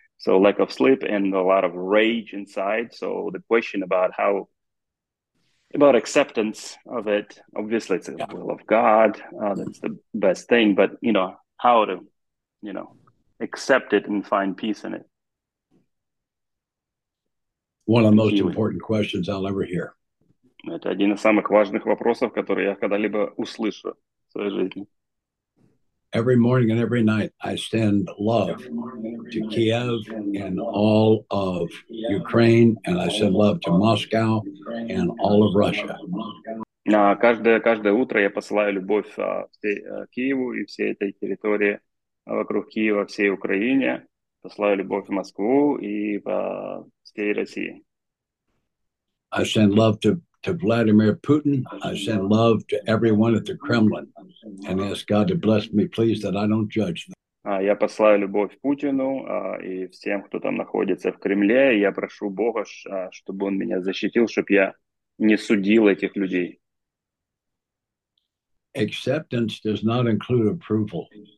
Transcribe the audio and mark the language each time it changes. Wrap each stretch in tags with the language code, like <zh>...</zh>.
<en>So lack of sleep and a lot of rage inside. So the question about how, about acceptance of it, obviously it's the will of God, that's the best thing, but you know, how to, you know, accept it and find peace in it. One of the most important questions I'll ever hear.</en> <ru>Это один из самых важных вопросов, который я когда-либо услышу в своей жизни.</ru> <en>Every morning and every night I send love to Kiev and all of Ukraine, and I send love to Moscow and all of Russia.</en> <ru>Каждое утро я посылаю любовь Киеву и всей этой территории вокруг Киева, всей Украине. Посылаю любовь в Москву и всей России.</ru> <en>I send love to Vladimir Putin. I send love to everyone at the Kremlin, and ask God to bless me, please, that I don't judge them.</en> <ru>Я посылаю любовь Путину и всем, кто там находится в Кремле. Я прошу Бога, чтобы он меня защитил, чтобы я не судил этих людей.</ru> <en>Acceptance does not include approval.</en>